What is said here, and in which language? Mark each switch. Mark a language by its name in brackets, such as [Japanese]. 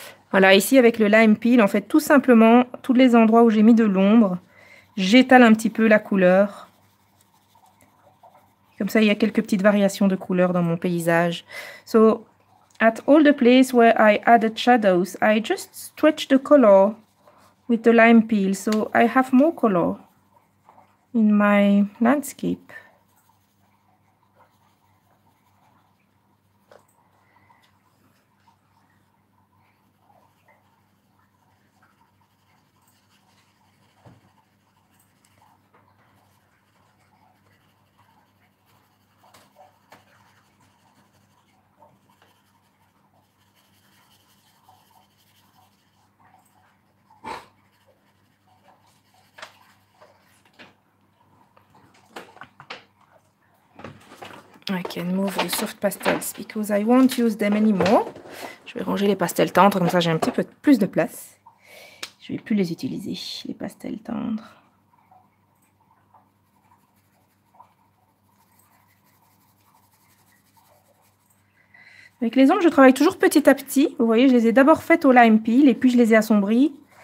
[French] Voilà, ici, avec le lime peel, en fait, tout simplement, tous les endroits où j'ai mis de l'ombre, j'étale un petit peu la couleur. Comme ça, il y a quelques petites variations de couleur dans mon paysage. [English] So, at all the places where I added shadows, I just stretch the color with the lime peel, so I have more color in my landscape. I can move the soft pastels because I won't use them anymore. [French] Je vais ranger les pastels tendres, comme ça j'ai un petit peu plus de place. Je vais plus les utiliser, les pastels tendres. Avec les ombres, je travaille toujours petit à petit. Vous voyez, je les ai d'abord faites au lime peel et puis je les ai assombries.